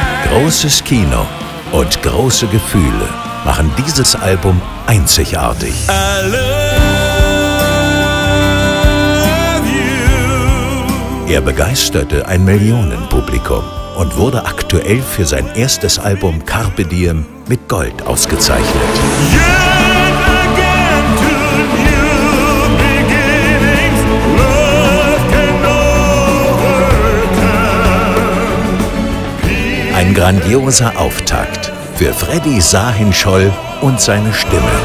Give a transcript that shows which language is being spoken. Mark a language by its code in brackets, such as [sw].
[de] Großes Kino und große Gefühle machen dieses Album einzigartig. [en] I love you. [de] Er begeisterte ein Millionenpublikum und wurde aktuell für sein erstes Album Carpe Diem mit Gold ausgezeichnet. [en] Yet again to new beginnings, love can overcome. [de] Ein grandioser Auftakt für Freddy Sahin-Scholl und seine Stimme.